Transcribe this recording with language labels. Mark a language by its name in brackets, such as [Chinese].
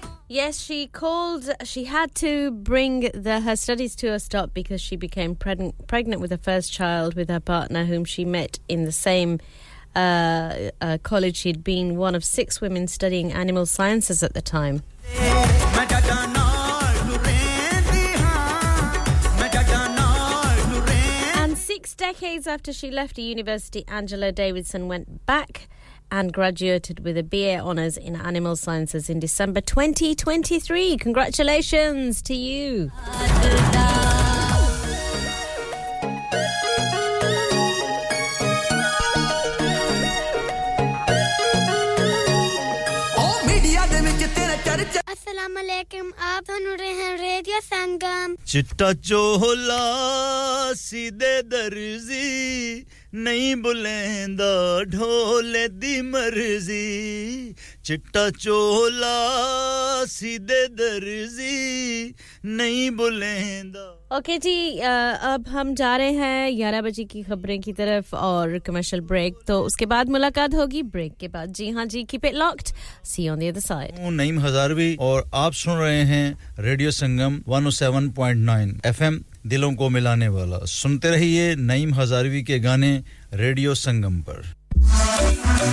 [English] Yes, she called, she had to bring her studies to a stop because she became pregnant with her first child with her partner whom she met in the same college. She'd been one of six women studying animal sciences at the time. And 6 decades after she left the university, Angela Davidson went back and graduated with a BA honours in Animal Sciences in December 2023. Congratulations to you. [Hindi] Assalamu alaikum. Aap sun rahe hain Radio Sangam. [Punjabi] Chitta chola, side darzi. ਨਹੀਂ ਬੁਲੈਂਦਾ ਢੋਲੇ ਦੀ ਮਰਜ਼ੀ ਚਿੱਟਾ ਚੋਲਾ ਸਿੱਧੇ ਦਰਜ਼ੀ ਨਹੀਂ ਬੁਲੈਂਦਾ [Hindi] okay जी अब हम जा रहे हैं 11 बजे की खबरें की तरफ और कमर्शियल ब्रेक तो उसके बाद मुलाकात होगी ब्रेक के बाद जी हां जी [English] keep it locked see on the other side [Hindi] Naeem Hazarvi और आप सुन रहे हैं रेडियो संगम 107.9 एफएम दिलों को मिलाने वाला सुनते रहिए नईम हजारवी के गाने रेडियो संगम पर